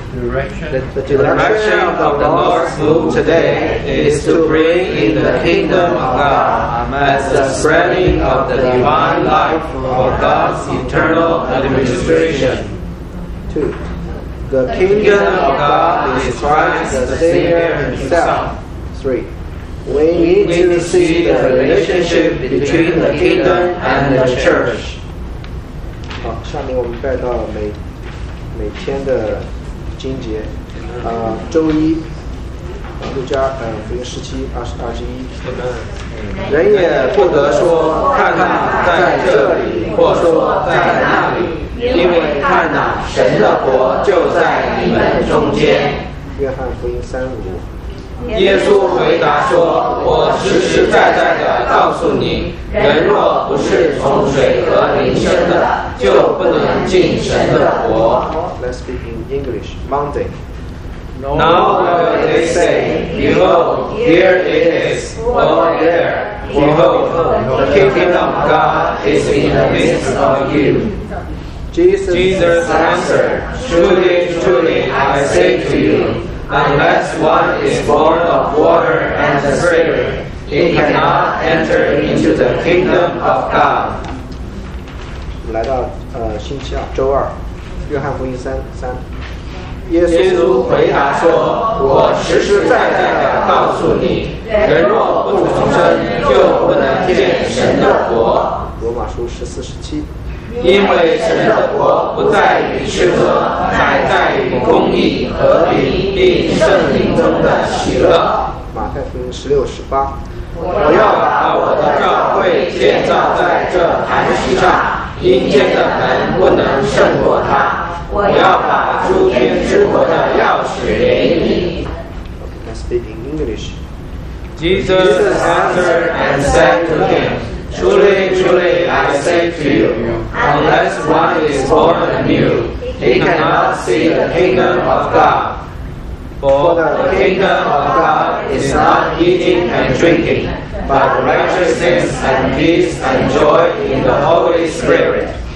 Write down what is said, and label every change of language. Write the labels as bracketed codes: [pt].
[en] the direction of the Lord's move today is to bring in the kingdom of God as the spreading of the divine life for God's eternal administration Two. The kingdom of God is Christ the Savior himself. 3. We need to see the relationship between the kingdom and the church. [zh] 好下面我们带到每天的经节。周一路加福音十七二十二十一。人也不得说看看在这里或说在那里。因为看哪神的国就在你们中间约翰福音三五耶稣回答说我实实在在地告诉你人若不是从水和灵生的就不能进神的国 [en] Let's speak in English Monday Now will they say Behold here it is or there Behold the kingdom of God is in the midst of you Jesus answered, Truly, truly, I say to you, unless one is born of water and the Spirit, he cannot enter into the kingdom of God. [zh] 来到星期二，周二，约翰福音三。耶稣回答说：“我实实在在的告诉你，人若不重生，就不能见神的国。” 罗马书14:17。因为神的国不在于吃喝，乃在于公义、和平并圣灵中的喜乐。马太福音16:18。我要把我的教会建造在这磐石上，阴间的门不能胜过它。我要把诸天之国的钥匙给你。 [en] Okay, let's speak in English. Jesus answered and said to him, Truly, truly, I say to you, unless one is born anew, he cannot see the kingdom of God. For the kingdom of God is not eating and drinking, but righteousness and peace and joy in the Holy Spirit.